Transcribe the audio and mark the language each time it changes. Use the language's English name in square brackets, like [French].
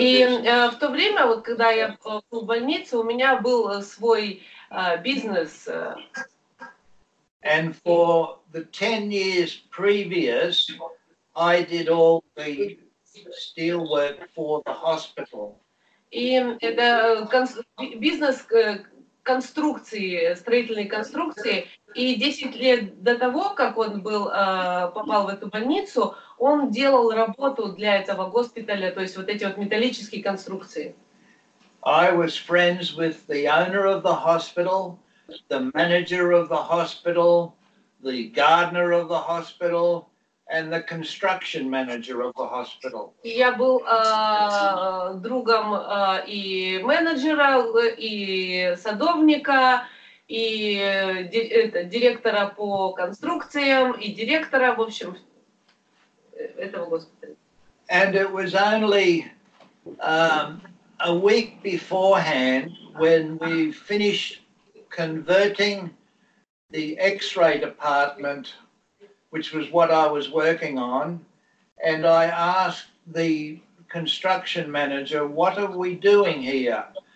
[Russian] И в то время, вот когда я был в больнице, у меня был свой бизнес. [English] And for the 10 years previous, I did all the steel work for the hospital. [Russian] И это бизнес конструкции, строительной конструкции. И 10 лет до того, как он был попал в эту больницу, он делал работу для этого госпиталя, то есть вот эти вот металлические конструкции. [English] I was friends with the owner of the hospital, the manager of the hospital, the gardener of the hospital, and the construction manager of the hospital. [Russian] Я был другом и менеджера, и садовника, и директора по конструкциям, и директора, в общем, этого госпиталя. [English] And it was only a week beforehand when we finished converting the x-ray department, which was what I was working on, and I asked the construction manager, "What are we doing here?"